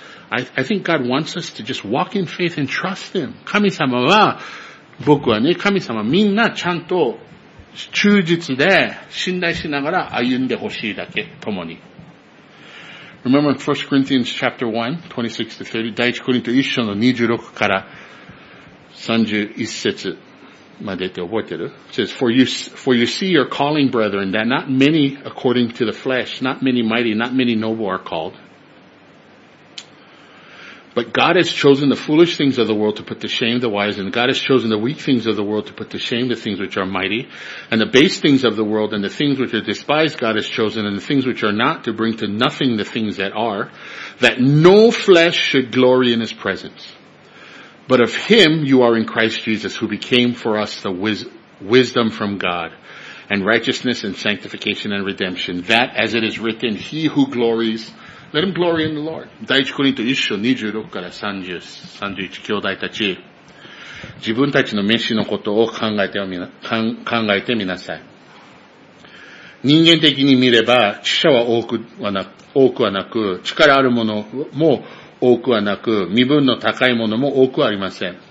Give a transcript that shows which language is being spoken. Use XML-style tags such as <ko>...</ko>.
<en>I think God wants us to just walk in faith and trust Him.</en> <ja>神様は、僕はね、神様みんなちゃんと忠実で信頼しながら歩んでほしいだけ、共に。</ja> <en>Remember in 1 Corinthians chapter 1, 26 to 30,</en> <ja>第一コリント1章の26から31節。</ja> <en>It says, for you see your calling, brethren, that not many according to the flesh, not many mighty, not many noble are called. But God has chosen the foolish things of the world to put to shame the wise, and God has chosen the weak things of the world to put to shame the things which are mighty, and the base things of the world, and the things which are despised God has chosen, and the things which are not to bring to nothing the things that are, that no flesh should glory in His presence. But of Him you are in Christ Jesus, who became for us the wisdom from God, and righteousness and sanctification and redemption, that as it is written, He who glories, let him glory in the Lord.</en> <ja>第一コリント一章二十六から三十、三十一兄弟たち、自分たちの召しのことを考えてみなさい。人間的に見れば、知者は多くはなく、力あるものも、多くはなく、身分の高いものも多くはありません。</ja>